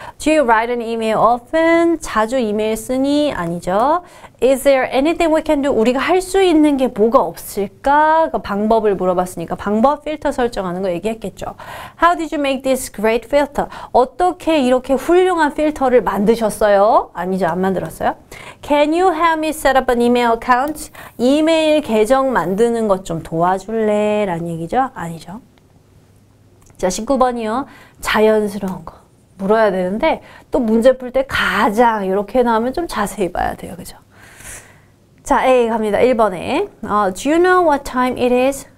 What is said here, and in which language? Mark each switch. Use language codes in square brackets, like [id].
[en] Do you write an email often? [ko] 자주 이메일 쓰니? 아니죠. [en] Is there anything we can do? [ko] 우리가 할 수 있는 게 뭐가 없을까? 그 방법을 물어봤으니까 방법 필터 설정하는 거 얘기했겠죠. [en] How did you make this great filter? [ko] 어떻게 이렇게 훌륭한 필터를 만드셨어요? 아니죠. 안 만들었어요. [en] Can you help me set up an email account? [ko] 이메일 계정 만드는 것 좀 도와줄래? 라는 얘기죠. 아니죠. 자, 19번이요. 자연스러운 거 물어야 되는데 또 문제 풀 때 가장 이렇게 나오면 좀 자세히 봐야 돼요. 그죠? 자, A 갑니다. [en] 1번에 Do you know what time it is?